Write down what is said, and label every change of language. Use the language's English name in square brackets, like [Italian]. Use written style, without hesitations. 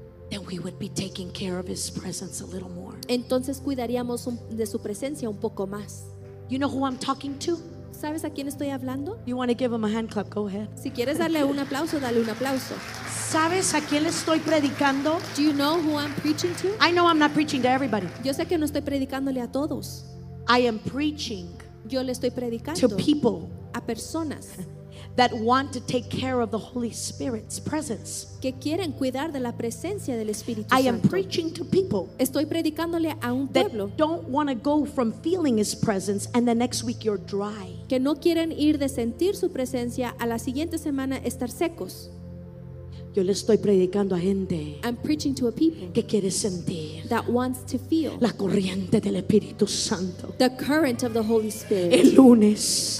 [English] then we would be taking care of his presence a little more. [Spanish] Entonces cuidaríamos de su presencia un poco más. [English] You know who I'm talking to? [Spanish] ¿Sabes a quién estoy hablando? [English] You want to give him a hand clap? Go ahead. [Spanish] Si quieres darle un aplauso, dale un aplauso. ¿Sabes a quién estoy predicando? [English] Do you know who I'm preaching to? I know I'm not preaching to everybody. [Spanish] Yo sé que no estoy predicándole a todos. [English] I am preaching. [Spanish] Yo le estoy predicando [English] to people, [Spanish] a personas, [English] that want to take care of the Holy Spirit's presence. [Spanish] Que quieren cuidar de la presencia del Espíritu [English] Santo. I am preaching to people. [Spanish] Estoy predicándole a un pueblo. [English] That don't want to go from feeling His presence and the next week you're dry. [Spanish] Que no quieren ir de sentir su presencia a la siguiente semana estar secos. Yo le estoy predicando a gente que quiere sentir [English] that wants to feel [Spanish] la corriente del Espíritu Santo. [English] The current of the Holy Spirit. [Spanish] El lunes,